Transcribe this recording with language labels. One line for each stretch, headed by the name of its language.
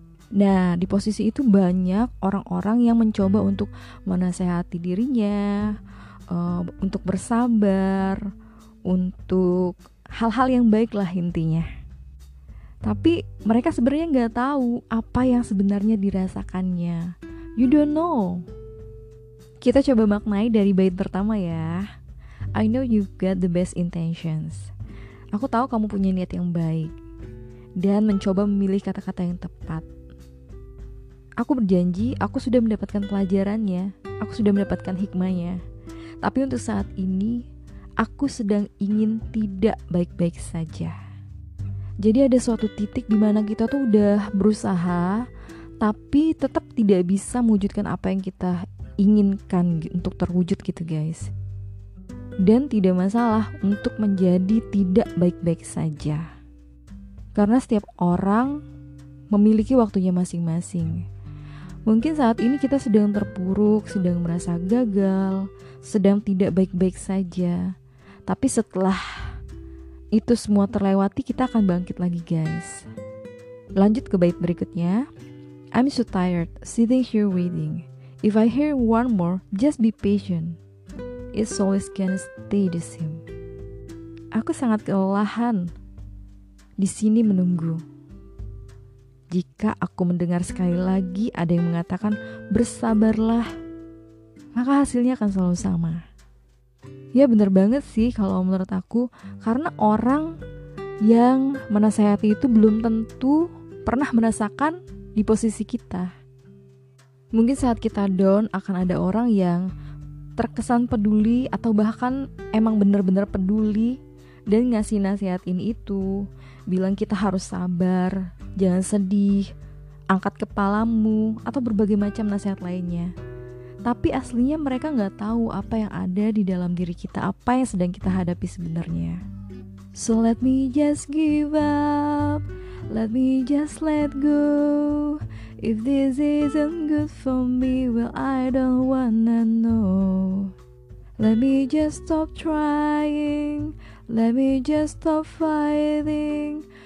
Indonesian: Nah, di posisi itu banyak orang-orang yang mencoba untuk menasehati dirinya, untuk bersabar, untuk hal-hal yang baik lah intinya. Tapi mereka sebenarnya gak tahu apa yang sebenarnya dirasakannya.
English: You don't know.
Indonesian: Kita coba maknai dari bait pertama ya.
English: I know you've got the best intentions.
Indonesian: Aku tahu kamu punya niat yang baik dan mencoba memilih kata-kata yang tepat. Aku berjanji, aku sudah mendapatkan pelajarannya, aku sudah mendapatkan hikmahnya. Tapi untuk saat ini, aku sedang ingin tidak baik-baik saja. Jadi ada suatu titik di mana kita tuh udah berusaha, tapi tetap tidak bisa mewujudkan apa yang kita inginkan untuk terwujud gitu guys. Dan tidak masalah untuk menjadi tidak baik-baik saja. Karena setiap orang memiliki waktunya masing-masing. Mungkin saat ini kita sedang terpuruk, sedang merasa gagal, sedang tidak baik-baik saja. Tapi setelah itu semua terlewati, kita akan bangkit lagi guys. Lanjut ke bait berikutnya.
English: I'm so tired sitting here waiting. If I hear one more, just be patient. It's always gonna stay the same.
Indonesian: Aku sangat kelelahan di sini menunggu. Jika aku mendengar sekali lagi ada yang mengatakan bersabarlah, maka hasilnya akan selalu sama. Ya benar banget sih kalau menurut aku, karena orang yang menasehati itu belum tentu pernah merasakan di posisi kita. Mungkin saat kita down akan ada orang yang terkesan peduli atau bahkan emang benar-benar peduli dan ngasih nasihat ini itu, bilang kita harus sabar, jangan sedih, angkat kepalamu, atau berbagai macam nasihat lainnya. Tapi aslinya mereka gak tahu apa yang ada di dalam diri kita, apa yang sedang kita hadapi sebenarnya.
English: So let me just give up, let me just let go. If this isn't good for me, well I don't wanna know. Let me just stop trying, let me just stop fighting.